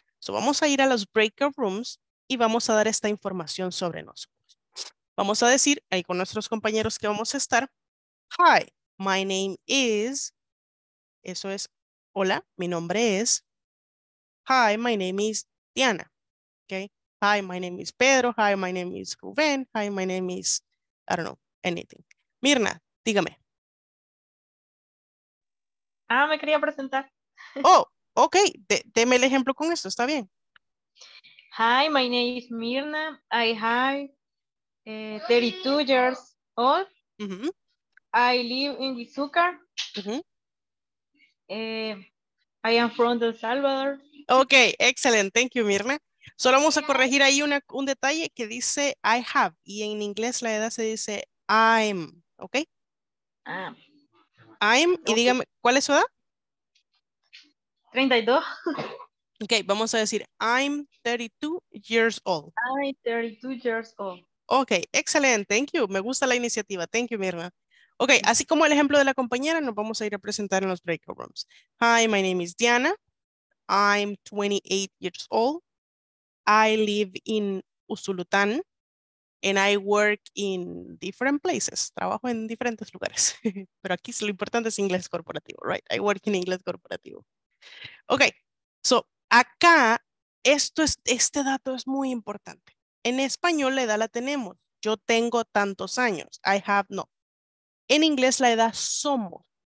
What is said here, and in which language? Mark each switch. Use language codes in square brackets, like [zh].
[es] So vamos a ir a los breakout rooms y vamos a dar esta información sobre nosotros. Vamos a decir ahí con nuestros compañeros que vamos a estar, [en] hi, my name is, [es] eso es, hola, mi nombre es, [en] hi, my name is Diana. Okay. Hi, my name is Pedro. Hi, my name is Rubén. Hi, my name is, I don't know, anything. [es] Mirna, dígame. Ah, me quería presentar. Oh, okay. Deme el ejemplo con esto, está bien. [en] Hi, my name is Mirna. I have 32 years old. Mm-hmm. I live in Huizuca. Mm-hmm. I am from El Salvador. [es] Ok, excelente. Thank you, Mirna. Solo vamos a corregir ahí un detalle que dice [en] I have, [es] y en inglés la edad se dice I'm, ¿ok? [en] I'm, [es] y dígame, ¿cuál es su edad? 32. Ok, vamos a decir [en] I'm 32 years old. I'm 32 years old. [es] Ok, excelente. [en] Thank you. [es] Me gusta la iniciativa. Thank you, Mirna. Ok, así como el ejemplo de la compañera, nos vamos a ir a presentar en los breakout rooms. [en] Hi, my name is Diana. I'm 28 years old. I live in Usulután and I work in different places. [es] Trabajo en diferentes lugares. Pero aquí lo importante es inglés corporativo, right? [en] I work in [es] inglés corporativo. Okay. So, acá este dato es muy importante. En español la edad la tenemos. Yo tengo tantos años. [en] I have no. [es] En inglés la edad somos.